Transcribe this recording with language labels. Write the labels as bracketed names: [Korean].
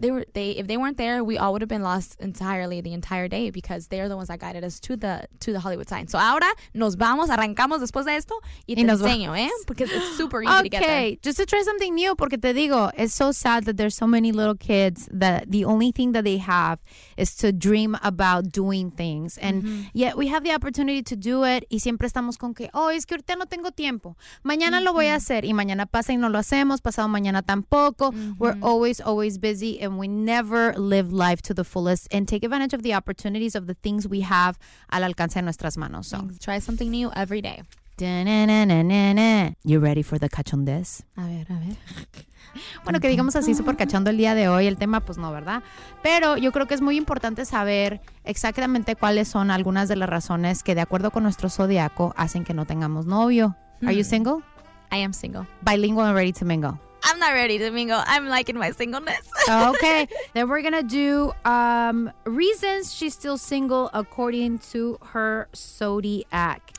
[English] If they weren't there, we all would have been lost entirely the entire day because they're the ones that guided us to the Hollywood sign. So [Spanish] ahora nos vamos, arrancamos después de esto y te enseño, [English] because it's super easy okay. to get there. Okay, just to try something new, [Spanish] porque te digo, [English] it's so sad that there's so many little kids that the only thing that they have is to dream about doing things. And yet we have the opportunity to do it [Spanish] y siempre estamos con que, oh, es que ahorita no tengo tiempo. Mañana lo voy a hacer y mañana pasa y no lo hacemos, pasado mañana tampoco. [English] We're always busy and we never live life to the fullest and take advantage of the opportunities of the things we have [Spanish] al alcance de nuestras manos. [English] So try something new every day. Da-na-na-na-na-na. You ready for the cachondez? [Spanish] A ver, a ver. Bueno, que digamos así súper cachondo el día de hoy, el tema pues no, ¿verdad? Pero yo creo que es muy importante saber exactamente cuáles son algunas de las razones que de acuerdo con nuestro zodiaco hacen que no tengamos novio. [English] Are you single? I am single. Bilingual and ready to mingle. I'm not ready to mingle. I'm liking my singleness. Okay. Then we're going to do reasons she's still single according to her zodiac.